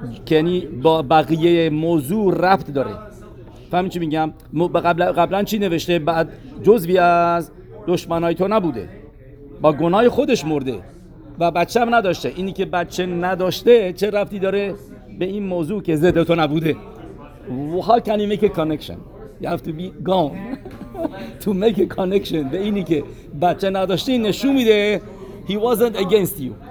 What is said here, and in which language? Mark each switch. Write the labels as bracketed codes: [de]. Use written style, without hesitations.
[fa] یعنی با بقیه موضوع ربط داره؟ فهمی چی میگم؟ قبلا چی نوشته؟ بعد جزوی از دشمنای تو نبوده، با گناه خودش مرده و بچه هم نداشته. اینی که بچه نداشته چه ربطی داره به این موضوع که زده تو نبوده؟ [en] How can you make a connection? You have to be gone to make a connection. [fa] به اینی که بچه نداشته نشون میده [en] He wasn't against you.